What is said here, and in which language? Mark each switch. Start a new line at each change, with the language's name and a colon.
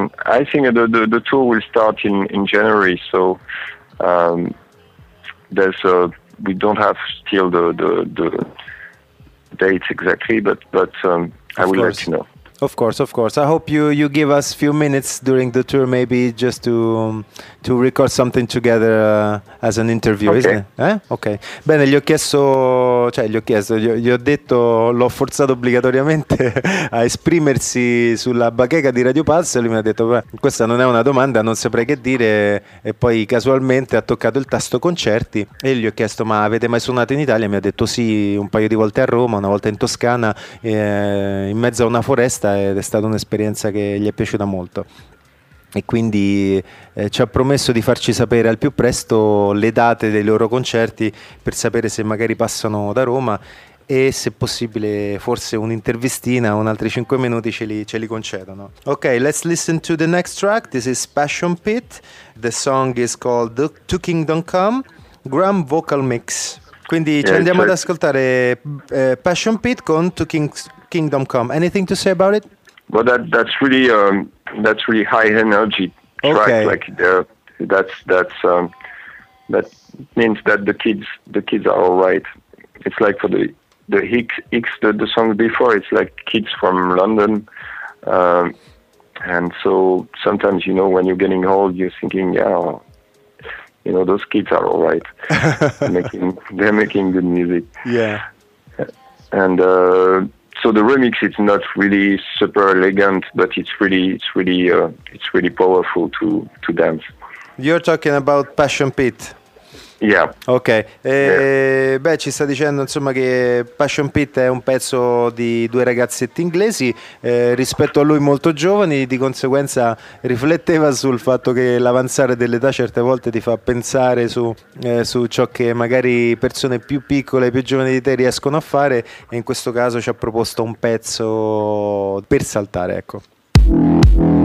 English: I think the tour will start in January, so we don't have still the dates exactly, but I will let you know. Of course, of course. I hope you give us a few minutes during the tour, maybe just to record something together as an interview, okay. Isn't it? Eh? Okay.
Italian: Bene, gli ho chiesto, gli ho detto, l'ho forzato obbligatoriamente a esprimersi sulla bacheca di Radio Pulse. Lui mi ha detto, questa non è una domanda, non saprei che dire. E poi casualmente ha toccato il tasto concerti e gli ho chiesto, ma avete mai suonato in Italia? Mi ha detto sì, un paio di volte a Roma, una volta in Toscana, in mezzo a una foresta. Ed è stata un'esperienza che gli è piaciuta molto e quindi ci ha promesso di farci sapere al più presto le date dei loro concerti per sapere se magari passano da Roma e se possibile forse un'intervistina o un altri 5 minuti ce li concedono.
English: Ok, let's listen to the next track. This is Passion Pit. The song is called To Kingdom Come, Gram Vocal Mix.
Italian: Quindi ci andiamo ad ascoltare Passion Pit con To Kingdom Come.
English: Anything to say about it? Well, that's really high energy track. Okay. Like that means that the kids are all right. It's like for the Hicks, the song before, it's like kids from London. And so sometimes, you know, when you're getting old, you're thinking, yeah, you know, those kids are all right. they're making good music. Yeah. And, so the remix is not really super elegant, but it's really powerful to dance. You're talking about Passion Pit. Yeah. Ok.
Italian: Ci sta dicendo insomma che Passion Pit è un pezzo di due ragazzetti inglesi, rispetto a lui molto giovani, di conseguenza rifletteva sul fatto che l'avanzare dell'età certe volte ti fa pensare su ciò che magari persone più piccole, più giovani di te riescono a fare, e in questo caso ci ha proposto un pezzo per saltare, ecco.